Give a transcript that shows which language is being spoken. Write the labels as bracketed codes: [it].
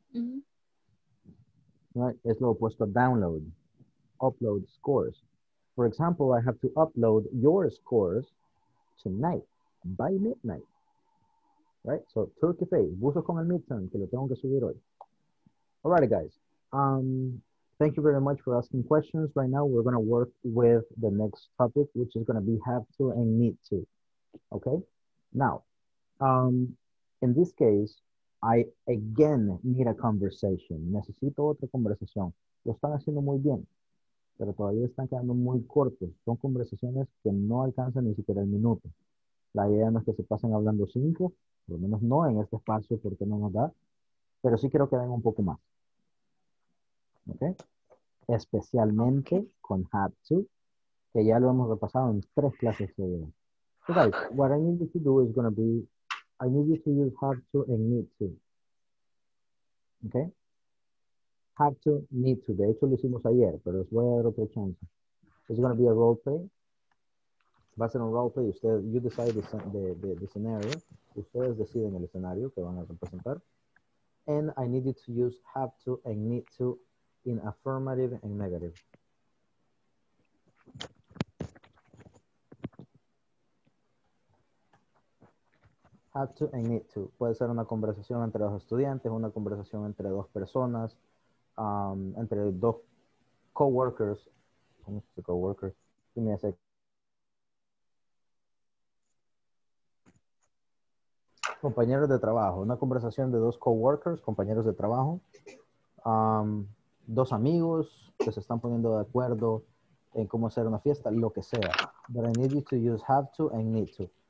[es] Mm-hmm. Right? Es lo opuesto a download. [en] Upload scores. For example, I have to upload your scores tonight, by midnight. Right? [es] So, turkey face, buzo con el midterm, que lo tengo que subir hoy. [en] All right, guys. Thank you very much for asking questions. Right now, we're going to work with the next topic, which is going to be have to and need to. Okay? Now, in this case, I again need a conversation. [es] Necesito otra conversación. Lo están haciendo muy bien, pero todavía están quedando muy cortos. Son conversaciones que no alcanzan ni siquiera el minuto. La idea no es que se pasen hablando 5, por lo menos no en este espacio porque no nos da, pero sí quiero que den un poco más. ¿Ok? Especialmente con have to, que ya lo hemos repasado en 3 clases de hoy. [en] So guys, what I need you to do is going to be, I need you to use have to and need to. ¿Ok? [es] Have to, need to. De hecho, lo hicimos ayer, pero les voy a dar otra chance. [en] It's going to be a role play. [es] Va a ser un role play. Usted, [en] you decide the scenario. [es] Ustedes deciden el escenario que van a representar. [en] And I need you to use have to and need to in affirmative and negative. Have to and need to. [es] Puede ser una conversación entre dos estudiantes, una conversación entre dos personas, entre dos coworkers. ¿Cómo se dice coworker? [en] Give me a sec. [es] Compañeros de trabajo. Una conversación de dos coworkers, compañeros de trabajo. Dos amigos que se están poniendo de acuerdo en cómo hacer una fiesta, lo que sea. [en] But I need you to use have to and need to.